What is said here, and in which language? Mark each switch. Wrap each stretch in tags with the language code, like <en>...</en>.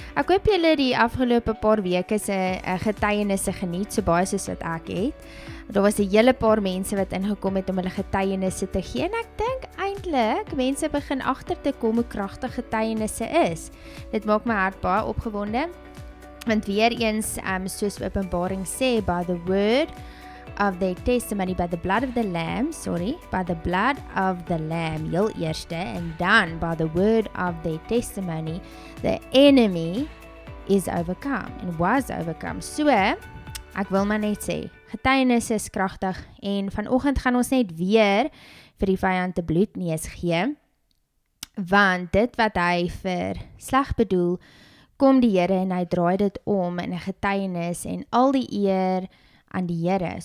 <af>Ek hoop julle die afgelope paar weke se getuienisse geniet so baie soos wat ek het. Daar was 'n hele paar mense wat ingekom het om hulle getuienisse te gee en ek dink eindelik mense begin agter te kom hoe kragtig getuienisse is. Dit maak my hart baie opgewonde. Want weer eens soos Openbaring sê</af> <en>by the word of their testimony by the blood of the lamb, by the blood of the lamb,</en> <af>heel eerste,</af> <en>and then by the word of their testimony, the enemy is overcome and was overcome.</en> <af>So, ek wil maar net sê, getuienis is kragtig en vanoggend gaan ons net weer vir die vyand te bloedneus gee, want dit wat hy vir sleg bedoel, kom die Here en hy draai dit om in 'n getuienis en al die eer aan die Here.</af>